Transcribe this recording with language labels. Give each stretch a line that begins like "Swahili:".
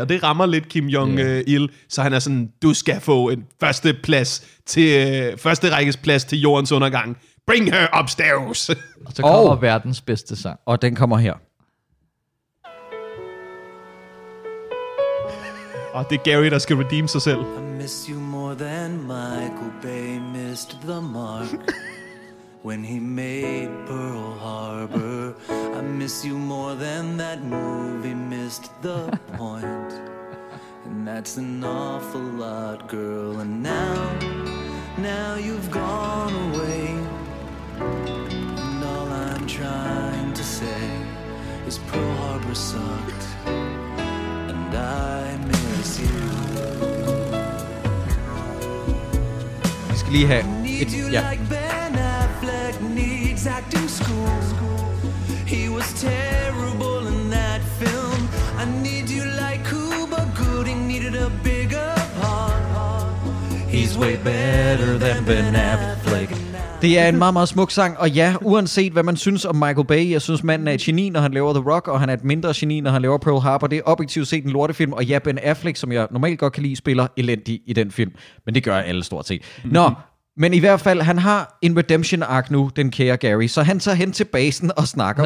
Danish: Og det rammer lidt Kim Jong-il, så han er sådan, du skal få en første plads til første rækkes plads til jordens undergang.
English: Bring her upstairs!
Danish: Og så kommer verdens bedste sang. Og den kommer her. Og det er Gary, der skal redeem sig selv.
English: I miss you more than Michael Bay missed the mark. When he made Pearl Harbor, I miss you more than that movie missed the point. And that's an awful lot, girl. And now you've gone away. And all I'm trying to say is Pearl Harbor sucked. And I miss you.
Danish: Vi skal lige have...
English: Need you like Ben Affleck needs acting school. He was terrible in that film. I need you like Cuba Gooding needed a bigger part. He's way better than Ben Affleck.
Danish: Det er en meget, meget smuk sang, og ja, uanset hvad man synes om Michael Bay, jeg synes manden er et geni, når han laver The Rock, og han er et mindre geni, når han laver Pearl Harbor. Det er objektivt set en lortefilm, og ja, Ben Affleck, som jeg normalt godt kan lide, spiller elendig i den film. Men det gør alle stort set. Nå, men i hvert fald, han har en redemption arc nu, den kære Gary, så han tager hen til basen og snakker.